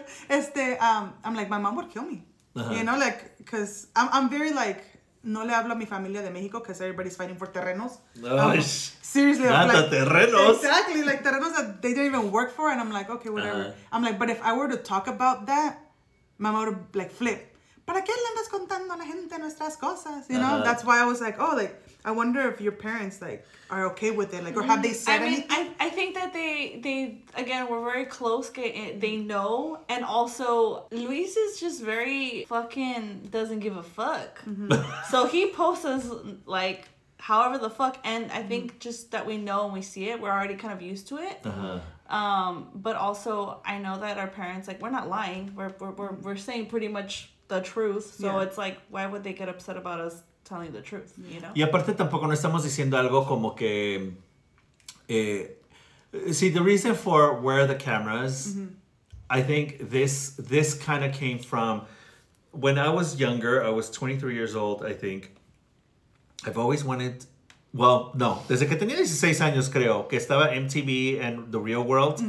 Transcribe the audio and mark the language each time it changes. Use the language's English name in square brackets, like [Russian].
[English] Yeah. To the world. I'm like, my mom would kill me. You know, like, because I'm very like, [Spanish] no le hablo a mi familia de México [English] because everybody's fighting for terrenos. Seriously. [Spanish] Nada, like, terrenos. [English] Exactly. Like, terrenos that they don't even work for. And I'm like, okay, whatever. I'm like, but if I were to talk about that, my mom would like flip. [Spanish] ¿Para qué le andas contando a la gente nuestras cosas? [English] You know, that's why I was like, oh, like, I wonder if your parents, like, are okay with it, like, or have they said anything? I think that they again, we're very close, they know, and also, Luis is just very fucking doesn't give a fuck. Mm-hmm. So he posts us, like, however the fuck, and I think just that we know and we see it, we're already kind of used to it. Uh-huh. But also, I know that our parents, like, we're not lying, we're saying pretty much the truth, so it's like, why would they get upset about us? Telling the truth, you know? [Spanish] Y aparte tampoco no estamos diciendo algo como que... [English] see, the reason for where are the cameras, I think this kind of came from... When I was younger, I was 23 years old, I think. I've always wanted... [Spanish] Well, no. Desde que tenía 16 años, creo, que estaba MTV and The Real World.